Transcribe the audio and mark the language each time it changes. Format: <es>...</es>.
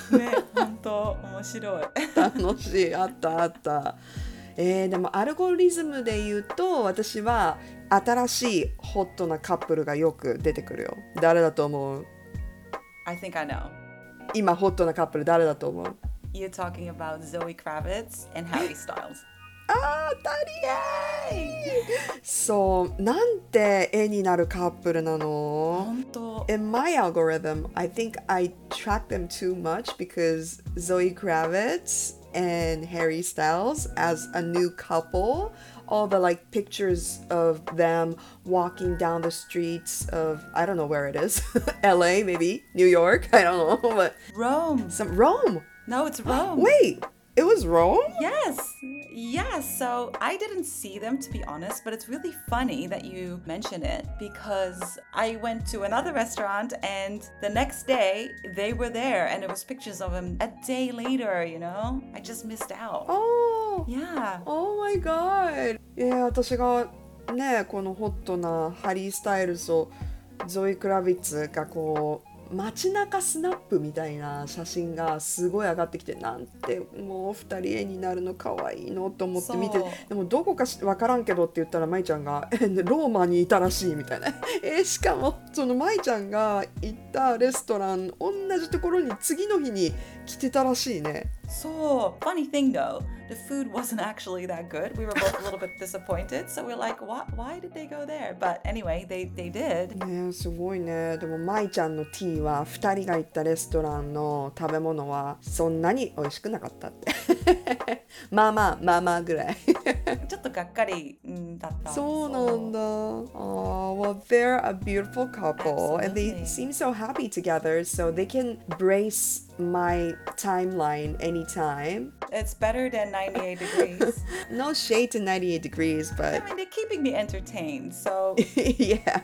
<ja>ね本当面白い楽しいあったあったでもアルゴリズムで言うと私は新しいホットなカップルがよく出てくるよ誰だと思う</ja> <en>I think I know</en> <ja>今ホットなカップル誰だと思う</ja> <en>You're talking about Zoe Kravitz and Harry Styles</en> <ja>あー足りないそうなんて絵になるカップルなの本当</ja> <en>In my algorithm I think I track them too much because Zoe KravitzAnd Harry Styles as a new couple, all the like pictures of them walking down the streets of I don't know where it is, LA maybe New York I don't know but Rome. Some Rome. No, it's Rome. Wait, it was Rome? Yes, yes. So I didn't see them to be honest, but it's really funny that you mention it because I went to another restaurant and the next day they were there and it was pictures of them a day later, you know? I just missed out. Oh! Yeah. Oh my god! Yeah,</en> <ja>私がね、このホットなハリー・スタイルズとゾイ・クラヴィッツがこう街中スナップみたいな写真がすごい上がってきてなんてもう二人絵になるのかわいいのと思って見てでもどこかわからんけどって言ったらまいちゃんがローマにいたらしいみたいなしかもそのまいちゃんが行ったレストラン同じところに次の日に来てたらしいねそう</ja> <en>Funny thing though The food wasn't actually that good We were both a little bit disappointed So we're like What? Why did they go there? But anyway They did</en> <ja>ねすごいねでもまいちゃんのティーは2人が行ったレストランの食べ物はそんなに美味しくなかったってまあまあまあまあぐらいちょっとがっかりだったそうなんだ</ja> <en>Well they're a beautiful couple、Absolutely. And they seem so happy together So they can braceMy timeline anytime. It's better than 98 degrees. No shade to 98 degrees, but... I mean, they're keeping me entertained, so... yeah.</en>